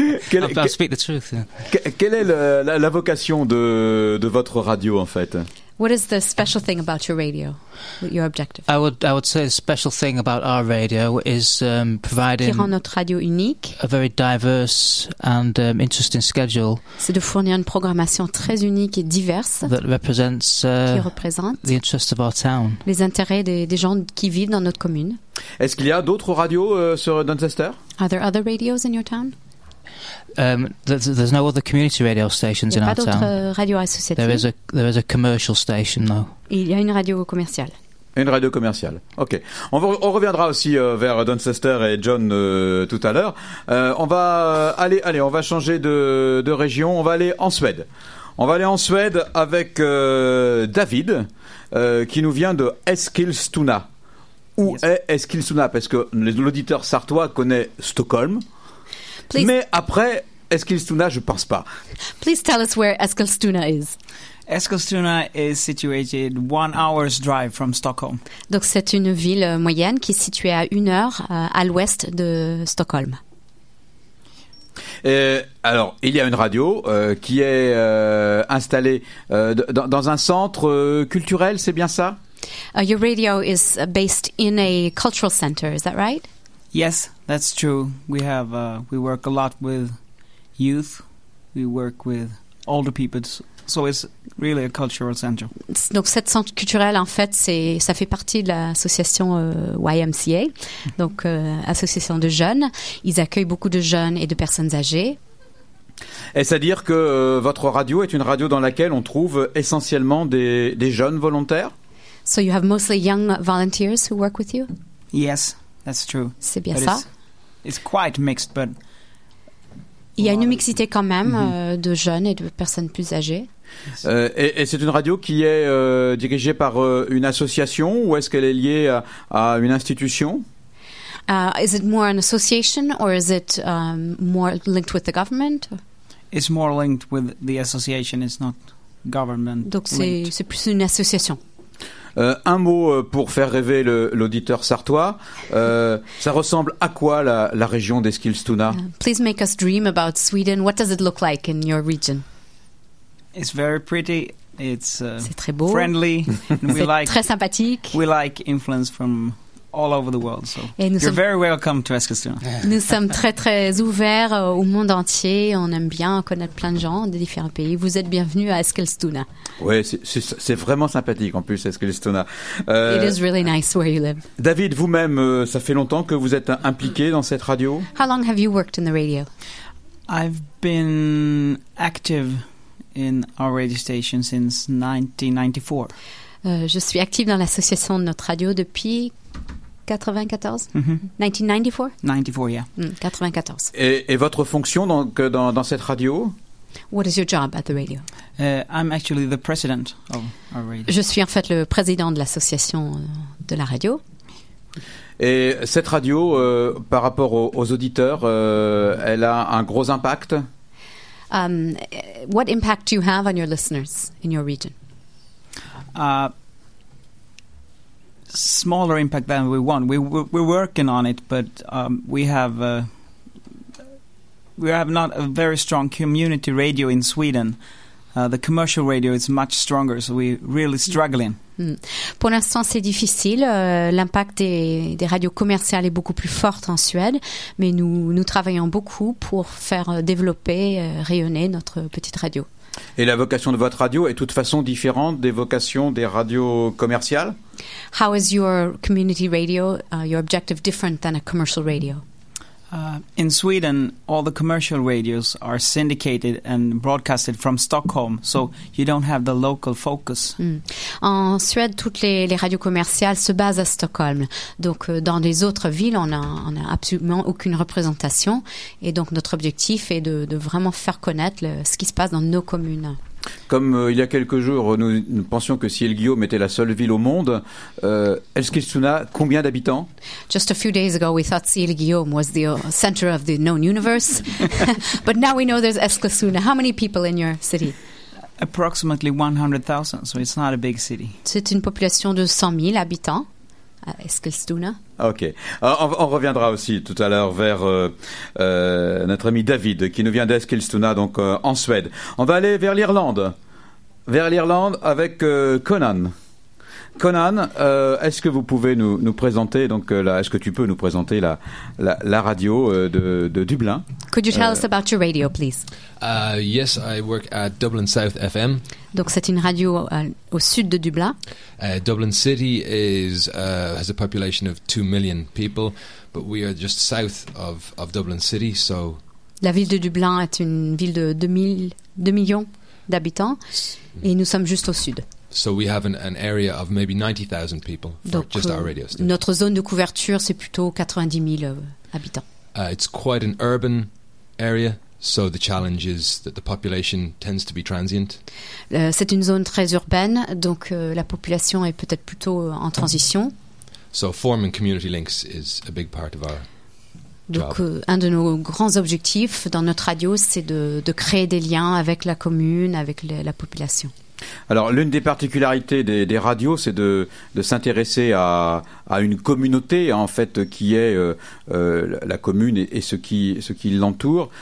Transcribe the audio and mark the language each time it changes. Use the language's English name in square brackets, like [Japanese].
[French] Quelle est la vocation de votre radio, en fait? [English] What is the special thing about your radio? Your objective? I would say the special thing about our radio is providing [French] qui rend notre radio unique. [English] A very diverse and interesting schedule. [French] C'est de fournir une programmation très unique et diverse. [English] That represents [French] qui représente [English] the interests of our town. [French] Les intérêts des gens qui vivent dans notre commune. Est-ce qu'il y a d'autres radios sur Doncaster? [English] Are there other radios in your town? There's no other community radio stations in our town. [French] Radio associative. [English] There is a commercial station, though. [French] Il y a une radio commerciale. Une radio commerciale. Ok. On reviendra aussi vers Doncaster et John tout à l'heure. On va changer de région. On va aller en Suède. On va aller en Suède avec David, qui nous vient de Eskilstuna. Où est Eskilstuna? Parce que l'auditeur sartois connaît Stockholm. [English] Please. [French] Mais après, Eskilstuna, je ne pense pas. [English] Please tell us where Eskilstuna is. Eskilstuna is situated 1 hour's drive from Stockholm. [French] Donc c'est une ville moyenne qui est située à une heure à l'ouest de Stockholm. Et alors, il y a une radio qui est installée dans un centre culturel, c'est bien ça? [English] Your radio is based in a cultural center, is that right? Yes, that's true. We work a lot with youth. We work with older people. So it's really a cultural center. [French] Donc cette centre culturel en fait, ça fait partie de l'association YMCA. Donc association de jeunes, ils accueillent beaucoup de jeunes et de personnes âgées. Est-ce à dire que votre radio est une radio dans laquelle on trouve essentiellement des jeunes volontaires? [English] So you have mostly young volunteers who work with you? Yes. That's true. [French] C'est bien [English] but [French] ça. [English] It's quite mixed, but [French] il y a une mixité quand même de jeunes et de personnes plus âgées. Et c'est une radio qui est dirigée par une association ou est-ce qu'elle est liée à une institution? [English] Is it more an association or is it more linked with the government? It's more linked with the association. It's not government. [French] Donc c'est plus une association. Un mot pour faire rêver l'auditeur sartois. Ça ressemble à quoi la région d'Eskilstuna? [English] Please make us dream about Sweden. What does it look like in your region? It's very pretty. It's [French] c'est très beau. [English] Friendly. [French] C'est très sympathique. [English] We like influence from all over the world. So you're very welcome to Eskilstuna. [French] Nous sommes très très ouverts au monde entier. On aime bien connaître plein de gens de différents pays. Vous êtes bienvenus à Eskilstuna. Oui, c'est vraiment sympathique en plus, Eskilstuna. [English] It is really nice where you live. [French] David, vous-même, ça fait longtemps que vous êtes impliqué dans cette radio. [English] How long have you worked in the radio? I've been active in our radio station since 1994. [French] Je suis active dans l'association de notre radio depuis 94. Mm-hmm. [English] 1994. [French] 94. Et votre fonction dans cette radio? [English] What is your job at the radio? I'm actually the president of our radio. [French] Je suis en fait le président de l'association de la radio. Et cette radio, par rapport aux auditeurs, elle a un gros impact. [English] What impact do you have on your listeners in your region? Smaller impact than we want. We're working on it, but we have not a very strong community radio in Sweden. The commercial radio is much stronger, so we're really struggling. [French] Mm. Pour l'instant, c'est difficile. L'impact des radios commerciales est beaucoup plus fort en Suède, mais nous travaillons beaucoup pour faire développer, rayonner notre petite radio. Et la vocation de votre radio est de toute façon différente des vocations des radios commerciales? [English] How is your community radio, your objective, different than a commercial radio? In Sweden, all the commercial radios are syndicated and broadcasted from Stockholm, so you don't have the local focus. Mm. [French] En Suède, toutes les radios commerciales se basent à Stockholm. Donc, dans les autres villes, on a absolument aucune représentation. Et donc, notre objectif est de vraiment faire connaître ce qui se passe dans nos communes. Comme il y a quelques jours, nous pensions que Siilgiyōme était la seule ville au monde. Eskilstuna, combien d'habitants? [English] Just a few days ago, we thought Siilgiyōme was the center of the known universe. But now we know there's Eskilstuna. How many people in your city? Approximately 100,000, so it's not a big city. [French] C'est une population de 100 000 habitants. Eskilstuna. Ok. On reviendra aussi tout à l'heure vers notre ami David qui nous vient d'Eskilstuna, donc en Suède. On va aller vers l'Irlande. Vers l'Irlande avec Conan. Conan, est-ce que vous pouvez nous présenter, est-ce que tu peux nous présenter la radio de Dublin? [English] Could you tell us about your radio, please? Yes, I work at Dublin South FM. [French] Donc c'est une radio au sud de Dublin. [English] Dublin City has a population of 2 million people, but we are just south of Dublin City, so... [French] La ville de Dublin est une ville de 2 millions d'habitants, et nous sommes juste au sud. [English] So we have an area of maybe 90,000 people for [French] Donc, [English] just our radio station. [French] Notre zone de couverture, c'est plutôt 90 000 habitants. [English] It's quite an urban area, so the challenge is that the population tends to be transient. [French] C'est une zone très urbaine, donc la population est peut-être plutôt en transition. [English] So forming community links is a big part of our [French] Donc, un de nos grands objectifs dans notre radio, c'est de créer des liens avec la commune, avec la population. Alors, l'une des particularités des radios, c'est de s'intéresser à une communauté, en fait, qui est la commune et ce qui l'entoure.